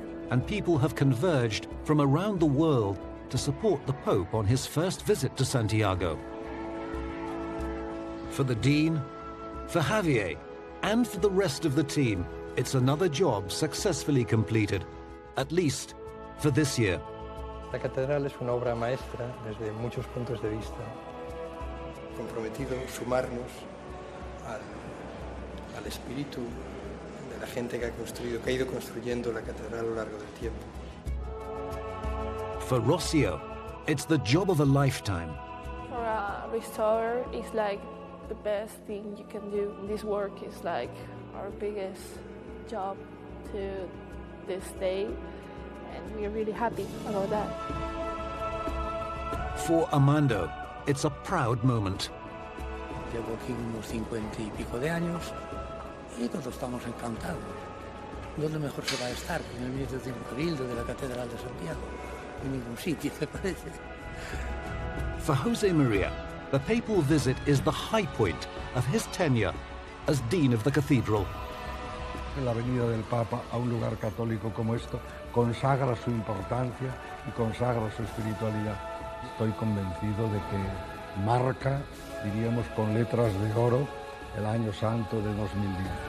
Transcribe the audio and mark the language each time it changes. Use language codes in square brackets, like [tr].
[en] And people have converged from around the world to support the Pope on his first visit to Santiago. For the Dean, for Javier, and for the rest of the team, it's another job successfully completed, at least for this year. [es] La catedral es una obra maestra desde muchos puntos de vista. Comprometido sumarnos al espíritu la gente que ha construido, que ha ido construyendo la catedral a lo largo del tiempo. [en] For Rossio, it's the job of a lifetime. For a restorer, it's like the best thing you can do. This work is like our biggest job to this day, and we're really happy about that. For Armando, it's a proud moment. [es] Llevo aquí unos 50 y pico de años. Y todos estamos encantados. ¿Dónde mejor se va a estar? En el medio de un cabildo de la Catedral de Santiago. En ningún sitio, me parece. [en] For José María, the papal visit is the high point of his tenure as dean of the cathedral. [es] La venida del Papa a un lugar católico como esto consagra su importancia y consagra su espiritualidad. Estoy convencido de que marca, diríamos con letras de oro, el año santo de 2010.